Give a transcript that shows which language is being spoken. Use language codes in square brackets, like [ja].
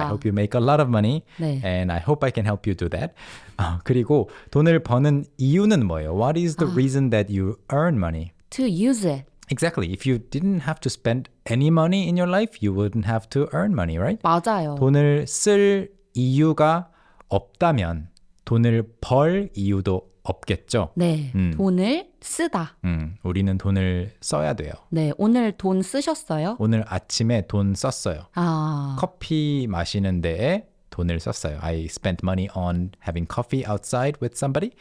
[en] 네, I hope you make a lot of money, [ko] 네. [en] And I hope I can help you do that. [ko] 그리고 돈을 버는 이유는 뭐예요? [en] What is the reason that you earn money? To use it. Exactly. If you didn't have to spend any money in your life, you wouldn't have to earn money, right? [ko] 맞아요. 돈을 쓸 이유가 없다면 돈을 벌 이유도 없겠죠? 네, 돈을 쓰다. 우리는 돈을 써야 돼요. 네, 오늘 돈 쓰셨어요? 오늘 아침에 돈 썼어요. 아. 커피 마시는 데에 돈을 썼어요. [en] I spent money on having coffee outside with somebody.